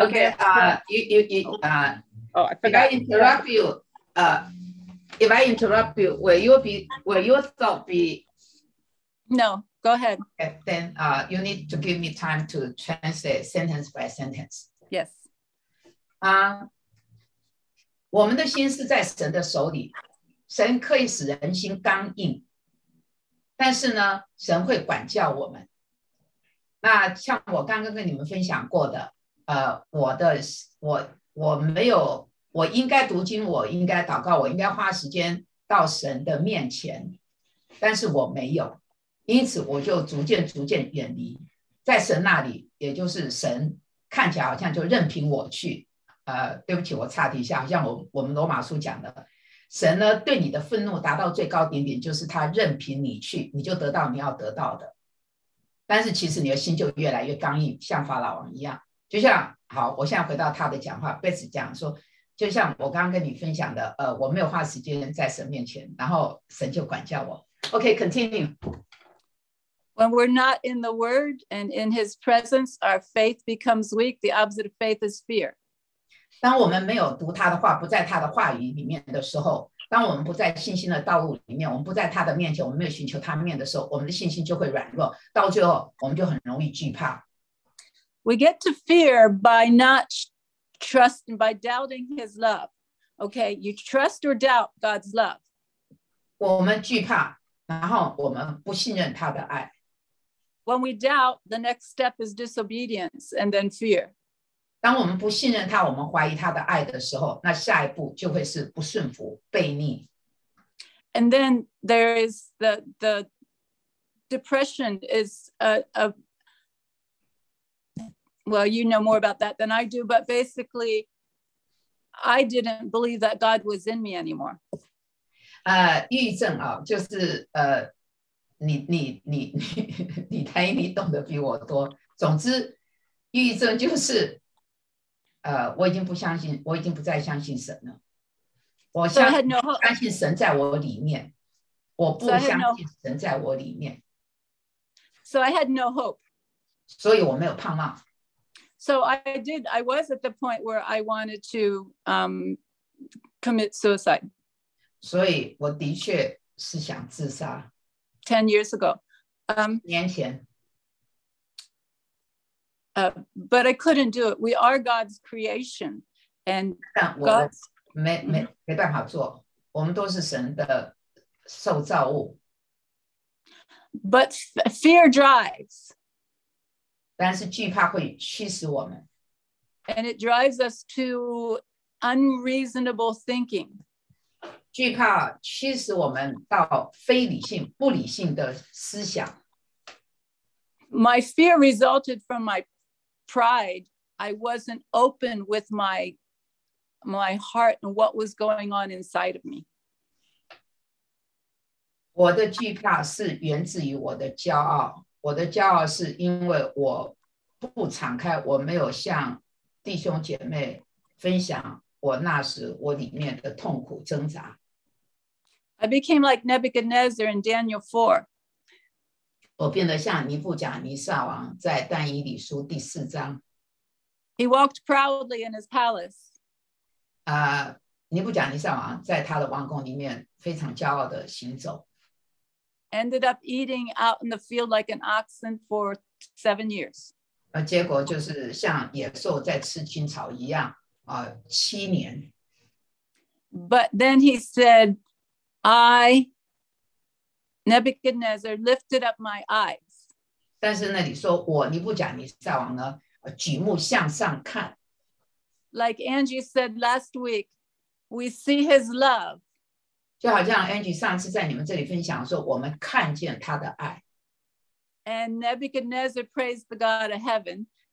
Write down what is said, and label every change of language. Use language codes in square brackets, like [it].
[en] Okay, if I interrupt you, will your thought be— No. Go ahead. Okay, then you need to give me time to translate sentence by sentence. Yes. [zh] 我们的心是在神的手里，神可以使人心刚硬，但是呢，神会管教我们。那像我刚刚跟你们分享过的，我应该读经，我应该祷告，我应该花时间到神的面前，但是我没有。因此我就逐渐远离在神那里，也就是神看起来好像就任凭我去，对不起我岔题一下，好像我们罗马书讲的神呢对你的愤怒达到最高点就是他任凭你去，你就得到你要得到的，但是其实你的心就越来越刚硬，像法老王一样。就像好，我现在回到他的讲话，贝斯讲说就像我刚刚跟你分享的，我没有花时间在神面前，然后神就管教我。 [en] OK, continue. When we're not in the word and in his presence, our faith becomes weak. The opposite of faith is fear. [zh] 当我们没有读他的话，不在他的话语里面的时候，当我们不在信心的道路里面，我们不在他的面前，我们没有寻求他面的时候，我们的信心就会软弱，到最后我们就很容易惧怕。 [en] We get to fear by not trusting, by doubting his love. Okay, you trust or doubt God's love. [zh] 我们惧怕，然后我们不信任他的爱。 [en] When we doubt, the next step is disobedience and then fear. [zh] 当我们不信任他，我们怀疑他的爱的时候，那下一步就会是不顺服、悖逆。 [en] And then there is the depression is well, you know more about that than I do, but basically, I didn't believe that God was in me anymore. [zh] 抑郁症啊，就是你太医你懂得比我多。总之抑郁症就是我已经不相信，我已经不再相信神了。我相信, [en] so no、 [zh] 相信神在我里面，我不相信神在我里面。 [en] So I had no hope. [zh] 所以我没有盼望。 [en] So I did, I was at the point where I wanted to commit suicide. [zh] 所以我的确是想自杀。 [en] 10 years ago. [zh] 年前。 [en] But I couldn't do it. We are God's creation. And God's... [zh] 没办法做。我们都是神的受造物。 [en] But fear drives. [zh] 但是惧怕会驱使我们。 [en] And it drives us to unreasonable thinking. [zh] 惧怕驱使我们到非理性、不理性的思想。 [en] My fear resulted from my pride. I wasn't open with my heart and what was going on inside of me. [zh] 我的惧怕是源自于我的骄傲。我的骄傲是因为我不敞开，我没有向弟兄姐妹分享我那时我里面的痛苦挣扎。 [en] I became like Nebuchadnezzar in Daniel 4. [zh] 我变得像尼布甲尼撒王在但以理书第四章。 [en] He walked proudly in his palace. [zh] 尼布甲尼撒王在他的王宫里面非常骄傲的行走。 [en] Ended up eating out in the field like an oxen for 7 years. [zh] 结果就是像野兽在吃青草一样，七年。 [en] But then he said, I, Nebuchadnezzar, lifted up my eyes. [zh] 但是那里说，我尼布甲尼撒王呢，举目向上看。 [en] Like Angie said last week, we see his love. [zh] 就好像 Angie 上次在你们这里分享说，我们看见他的爱。 [en] And Nebuchadnezzar praised the God of heaven.